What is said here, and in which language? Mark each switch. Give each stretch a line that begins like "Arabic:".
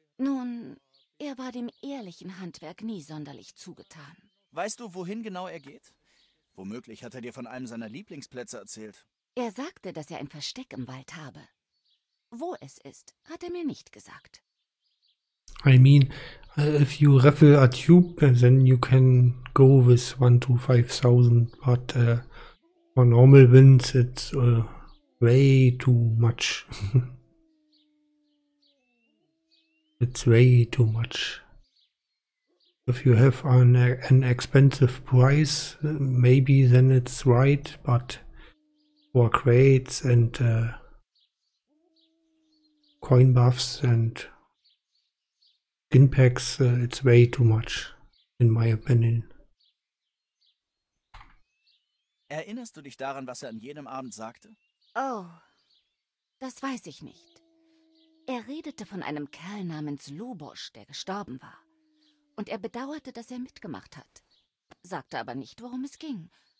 German: Nun, er war dem ehrlichen Handwerk nie sonderlich zugetan. Weißt du, wohin genau er geht? Womöglich hat er dir von einem seiner Lieblingsplätze erzählt. Er sagte, dass er ein Versteck im Wald habe. Wo es ist, hat er mir nicht gesagt.
English: I mean, if you raffle a tube, then you can go with 1 to 5,000, but for normal winds, it's way too much. It's way too much. If you have an expensive price, maybe then it's right, but for crates and coin buffs and skin packs, it's way too much, in my opinion.
German: Erinnerst du dich daran, was er an jenem Abend sagte? Oh, das weiß ich nicht. Er redete von einem Kerl namens Lubosch, der gestorben war. Und er bedauerte, dass er mitgemacht hat, sagte aber nicht, worum es ging.